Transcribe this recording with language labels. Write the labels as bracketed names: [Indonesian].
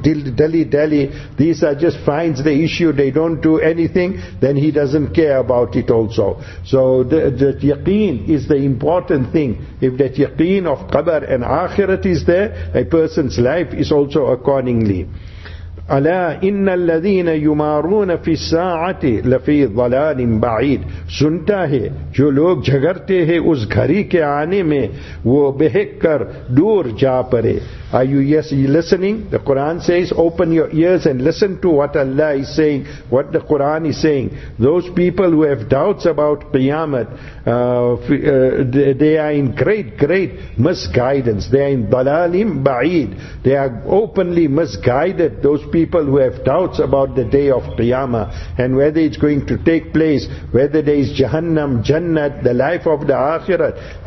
[English] dilly-dally, these are just finds the issue, they don't do anything, then he doesn't care about it also. So that yaqeen is the important thing. If that yaqeen of qabr and akhirat is there, a person's life is also accordingly. [Arabic] أَلَا إِنَّ الَّذِينَ يُمَارُونَ فِي السَّاعَةِ لَفِي ضَلَالٍ بَعِيدٍ [Urdu] سنتا ہے جو لوگ جھگرتے ہیں اس گھری کے آنے میں وہ بہک کر دور جا پرے. [English] Are you listening? The Quran says, open your ears and listen to what Allah is saying, what the Quran is saying. Those people who have doubts about Qiyamah, they are in great, great misguidance. They are in dalalim ba'id. They are openly misguided, those people who have doubts about the day of Qiyamah and whether it's going to take place, whether there is Jahannam, Jannat, the life of the Akhirat.